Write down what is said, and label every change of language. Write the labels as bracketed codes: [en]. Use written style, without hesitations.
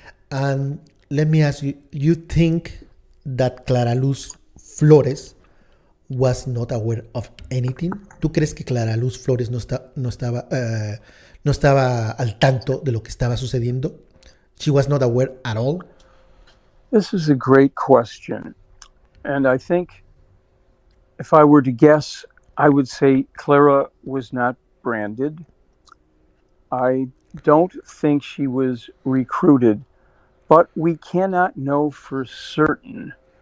[en] And let me ask you, you think that Clara Luz Flores was not aware of anything? [es] ¿Tú crees que Clara Luz Flores no estaba al tanto de lo que estaba sucediendo? [en] She was not aware at all. This is a great question. And I think if I were to guess, I would say Clara was not branded. I don't think she was recruited, but we cannot know for certain.